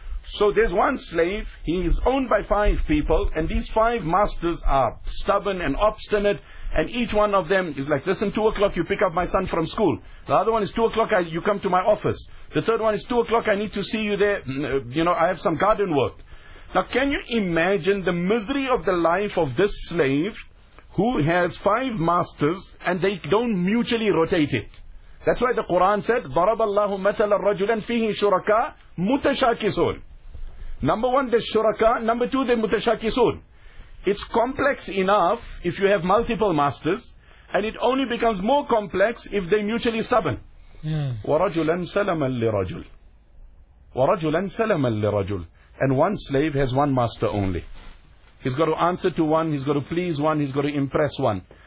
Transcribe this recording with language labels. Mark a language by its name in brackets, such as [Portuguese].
[English] So there's one slave, he is owned by five people, and these five masters are stubborn and obstinate, and each one of them is like, listen, 2 o'clock you pick up my son from school. The other one is 2 o'clock you come to my office. The third one is 2 o'clock I need to see you there, you know, I have some garden work. Now can you imagine the misery of the life of this slave who has five masters and they don't mutually rotate it? That's why the Quran said, [Arabic] ضَرَبَ اللَّهُ مَثَلَ الرَّجُلًا فِيهِ شُرَكَى مُتَشَاكِسُونَ. [English] Number one, the shuraka. Number two, the mutashakisun. It's complex enough if you have multiple masters, and it only becomes more complex if they're mutually stubborn. [Arabic] وَرَجُلًا سَلَمًا لِرَجُلٍ وَرَجُلًا سَلَمًا لِرَجُلٍ. [English] And one slave has one master only. He's got to answer to one, he's got to please one, he's got to impress one.